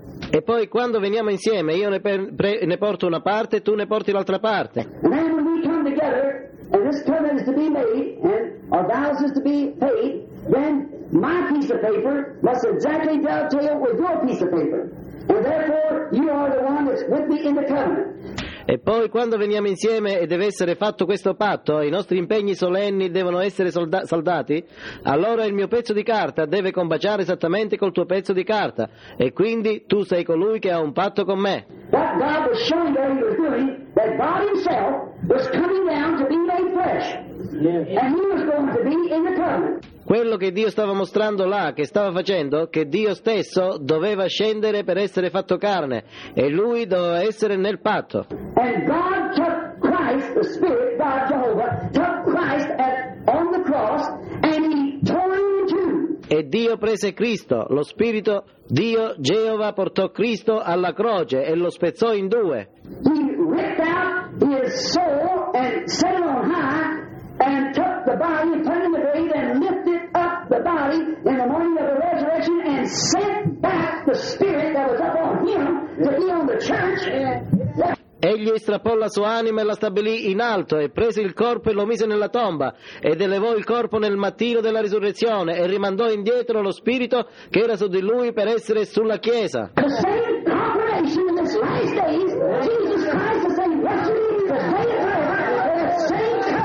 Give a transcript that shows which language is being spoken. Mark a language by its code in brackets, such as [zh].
[it] E poi quando veniamo insieme, io ne porto una parte e tu ne porti l'altra parte. [en] And then when we come together, and this covenant is to be made, and our vows is to be paid, then my piece of paper must exactly dovetail with your piece of paper. And therefore, you are the one that's with me in the covenant. [it] E poi quando veniamo insieme e deve essere fatto questo patto, i nostri impegni solenni devono essere saldati, allora il mio pezzo di carta deve combaciare esattamente col tuo pezzo di carta, e quindi tu sei colui che ha un patto con me. [en] What God was showing that he was doing, that God himself was coming down to be made flesh. And he was going to be in the covenant. [it] Quello che Dio stava mostrando là, che stava facendo, che Dio stesso doveva scendere per essere fatto carne, e lui doveva essere nel patto. [en] And God took Christ, the Spirit, God Jehovah, took Christ on the cross, and he tore him in two. [it] E Dio prese Cristo, lo Spirito, Dio Geova portò Cristo alla croce e lo spezzò in due. [en] He ripped out his soul and set it on high. And took the body and put it in the grave and lifted up the body in the morning of the resurrection and sent back the spirit that was up on him to be on the church. [it] Egli strappò la sua anima e la stabilì in alto e prese il corpo e lo mise nella tomba ed elevò il corpo nel mattino della risurrezione e rimandò indietro lo spirito che era su di lui per essere sulla chiesa. [en] The same operation in this last days, Jesus Christ the same yesterday, the same